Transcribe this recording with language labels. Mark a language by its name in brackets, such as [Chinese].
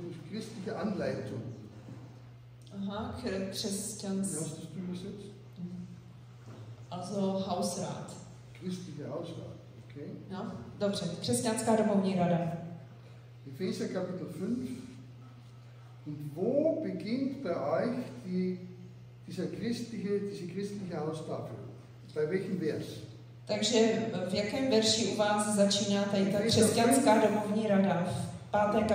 [German] Christliche Anleitung. [English] Aha, Christians. [German] Wie hast du das übersetzt? Also Hausrat. Christliche Hausrat, okay. [Czech] Ja, dobře, křesťanská domovní rada. [German] Epheser Kapitel 5. Und wo beginnt bei euch diese christliche Haustafel? Bei welchem Vers? [Czech] Takže v jakém verši u vás začíná tady ta křesťanská domovní rada v 5.